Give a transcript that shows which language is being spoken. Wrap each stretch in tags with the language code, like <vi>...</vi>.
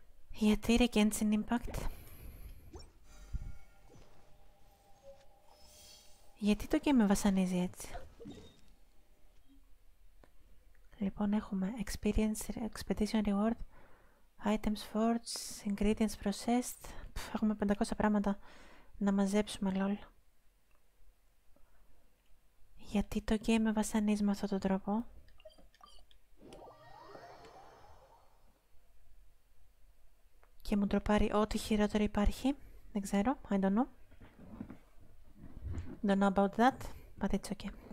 <el>Γιατί ρε Genshin Impact? Γιατί το game με βασανίζει έτσι? Λοιπόν, έχουμε Experience, Expedition Reward, Items Forged, Ingredients Processed. Έχουμε 500 πράγματα να μαζέψουμε, lol. Γιατί το game με βασανίζει με αυτόν τον τρόπο? Και μου τροπάρει ό,τι χειρότερο υπάρχει. Δεν ξέρω,</el> <en>I don't know. Don't know about that, but it's okay.</en>